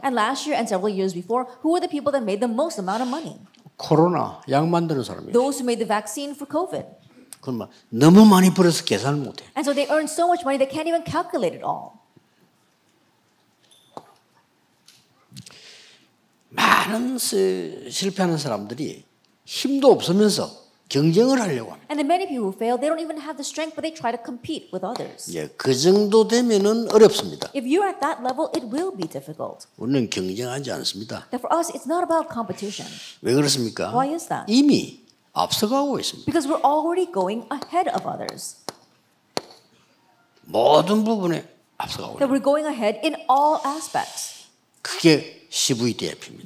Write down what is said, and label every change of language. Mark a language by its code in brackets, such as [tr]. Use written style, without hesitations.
[en] And last year and several years before, who were the people that made the most amount of money? [ko] 코로나 약 만드는 사람이. [en] Those who made the vaccine for COVID. [ko] 그러면 너무 많이 벌어서 계산을 못 해. [en] And so they earned so much money they can't even calculate it all. [ko] 많은 실패하는 사람들이 힘도 없으면서 경쟁을 하려고 합니다. [en] And the many people who fail, they don't even have the strength, but they try to compete with others. [ko] 예, 그 정도 되면은 어렵습니다. [en] If you're at that level, it will be difficult. [ko] 우리는 경쟁하지 않습니다. [en] That for us, it's not about competition. [ko] 왜 그렇습니까? [en] Why is that? [ko] 이미 앞서가고 있습니다. [en] Because we're already going ahead of others. [ko] 모든 부분에 앞서가고 있다. [en] That we're going ahead in all aspects. [ko] 그게 CVDIP입니다.